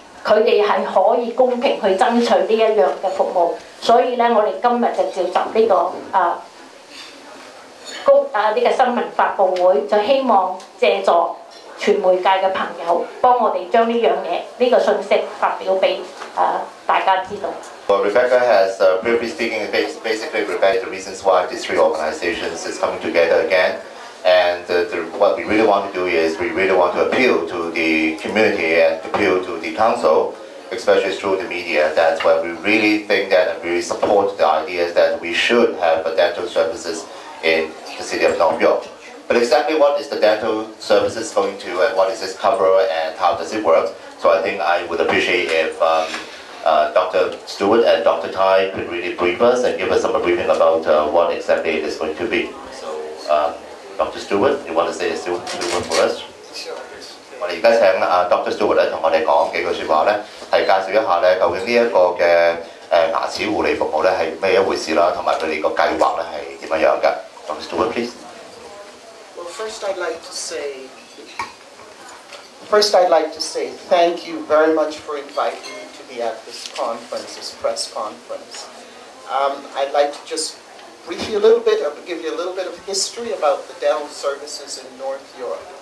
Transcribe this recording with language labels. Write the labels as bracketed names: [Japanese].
[Chinese] 他們是可以公平去爭取這一樣的服務，所以呢我們今天就召集這個這個新聞發布會，就希望借助傳媒界的朋友幫我們將這件事這個訊息發表給大家知道。 [English] Well, Rebecca has previously speaking basically Rebecca the reasons why these three organizations is coming together again, and what we really want to do is we really want to appeal to the community and appeal to the council, especially through the media. That's why we really think that we really support the ideas that we should have dental services in the city of North York. But exactly what is the dental services going to and what is this cover and how does it work? So I think I would appreciate if Dr. Stewart and Dr. Tai could really brief us and give us some briefing about what exactly it is going to be. Dr. Stewart, you want to say a few words for us? Sure. [Chinese] 我們現在請Dr. Stewart跟我們講幾句說話，是介紹一下究竟這個牙齒護理服務是什麼一回事，還有他們的計劃是怎麼樣的。 [English] Dr. Stewart, please. Well, first I'd like to say thank you very much for inviting me to be at this conference, this press conference. I'd like to just brief you a little bit, or give you a little bit of history about the dental services in North York.